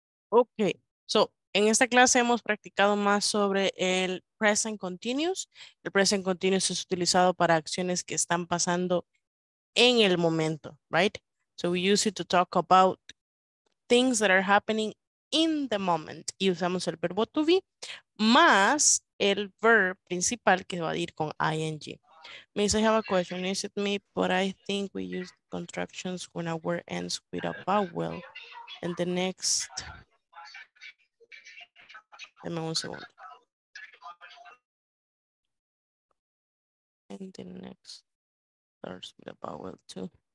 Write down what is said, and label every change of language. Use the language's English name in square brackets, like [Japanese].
[English] Okay, so [Spanish] en esta clase hemos practicado más sobre el present continuous. El present continuous es utilizado para acciones que están pasando en el momento, [English] right? So we use it to talk about things that are happening in the moment. [Spanish] Y usamos el verbo to be más el verb principal que va a ir con ing. [English] Miss, I have a question. Is it me, but I think we use contractions when a word ends with a vowel. And the next... [Spanish] Deme un segundo. [English] And the next starts with a vowel too.